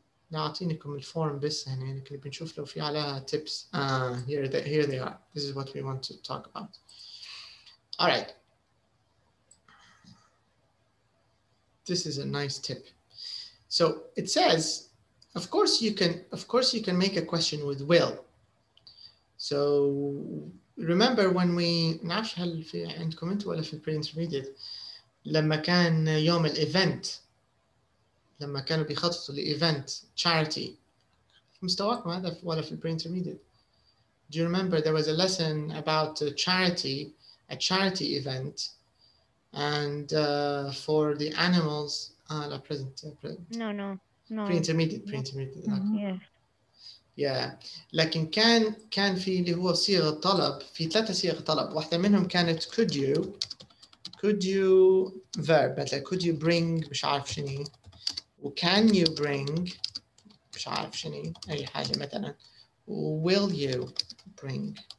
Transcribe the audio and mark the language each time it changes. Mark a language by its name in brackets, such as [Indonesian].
[Arabic] نعطيكم الفورم بس هنا يعني بنشوف لو في عليها tips. [English] Here they are. This is what we want to talk about. All right. This is a nice tip. So it says, of course you can make a question with will. So remember when we [Arabic] نعرفش هل في عندكم انت ولا في pre-intermediate لما كان يوم الايفنت لما كانوا بيخططوا لإيفنت charity مستواكم هذا ولا في pre-intermediate. [English] Do you remember there was a lesson about a charity event and for the animals la present no pre-intermediate yeah. Yeah, [Arabic] لكن كان في اللي هو صيغة طلب في ثلاثة صيغ طلب واحدة منهم كانت [English] could you verb [Arabic] مثلا [English] could you bring [Arabic] مش عارف شني و [English] can you bring [Arabic] مش عارف شني أي حاجة مثلا [English] will you bring